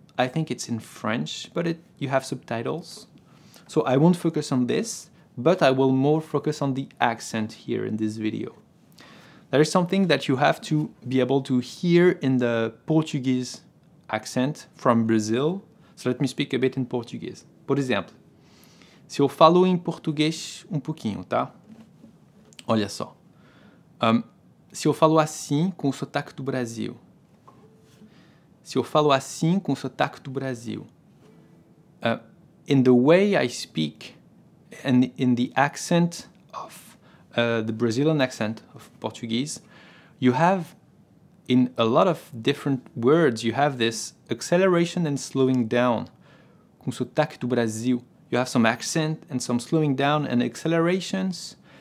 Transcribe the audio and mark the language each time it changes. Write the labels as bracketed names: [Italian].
[English] I think it's in French, but you have subtitles. So I won't focus on this, but I will more focus on the accent here in this video. There is something that you have to be able to hear in the Portuguese accent from Brazil. So let me speak a bit in Portuguese. [Portuguese] Por exemplo, se eu falo em português pouquinho, tá? Olha só. Se eu falo assim com o sotaque do Brasil. Se eu falo assim com o sotaque do Brasil. [English] In the way I speak and in the accent of the Brazilian accent of Portuguese, you have, in a lot of different words, you have this acceleration and slowing down. [Portuguese] Com sotaque do Brasil. [English] You have some accent and some slowing down and accelerations.